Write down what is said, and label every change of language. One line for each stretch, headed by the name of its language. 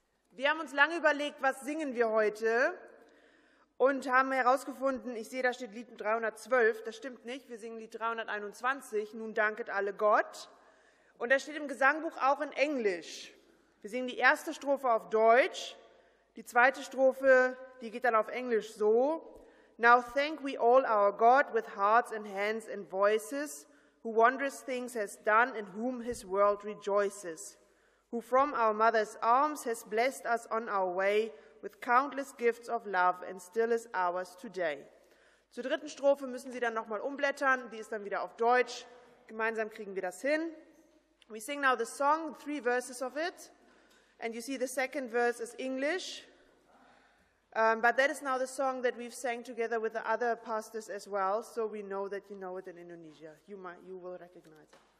German: Wir haben uns lange überlegt, was singen wir heute und haben herausgefunden, ich sehe, da steht Lied 312, das stimmt nicht, wir singen Lied 321, nun danket alle Gott. Und das steht im Gesangbuch auch in Englisch. Wir singen die erste Strophe auf Deutsch, die zweite Strophe, die geht dann auf Englisch so.
English: Now thank we all our God with hearts and hands and voices, who wondrous things has done and whom his world rejoices. Who from our mother's arms has blessed us on our way with countless gifts of love and still is ours today.
German: Zur dritten Strophe müssen Sie dann nochmal umblättern. Die ist dann wieder auf Deutsch. Gemeinsam kriegen wir das hin.
English: We sing now the song, 3 verses of it. And you see the second verse is English. But that is now the song that we've sang together with the other pastors as well. So we know that you know it in Indonesia. You will recognize it.